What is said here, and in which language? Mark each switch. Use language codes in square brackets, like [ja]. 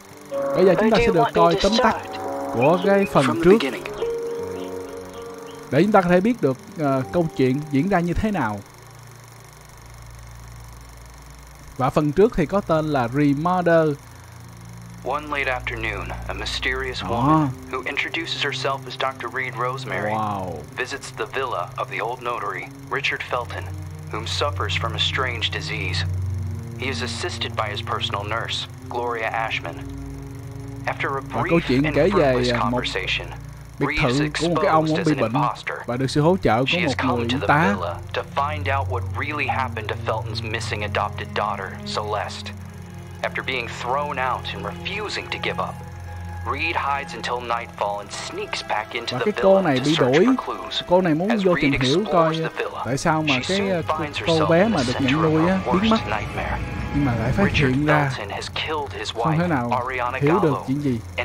[vi] Bây giờ chúng ta sẽ được coi tóm tắt của cái phần trước, để chúng ta có thể biết được câu chuyện diễn ra như thế nào. Và phần trước thì có tên là Remaster. [en] One late afternoon, a mysterious woman who introduces herself as Dr. Reed Rosemary visits the villa of the old notary, Richard Felton, whom suffers from a strange disease. He is assisted by his personal nurse, Gloria Ashman. After a brief [vi] câu chuyện kể về [en] conversation, [vi] biệt thự của một cái ông bị bệnh và được sự hỗ trợ của một người y tá [en] to find out what really happened to Felton's missing adopted daughter, Celeste. After being thrown out and refusing to give up, Reed hides until nightfall and sneaks back into the villa. [vi] Cô này bị đuổi. Cô này muốn vô tìm hiểu coi tại sao mà cô bé mà được nhận nuôi á biến mất. Nhưng mà lại phát hiện ra không thể nào hiểu được chuyện gì.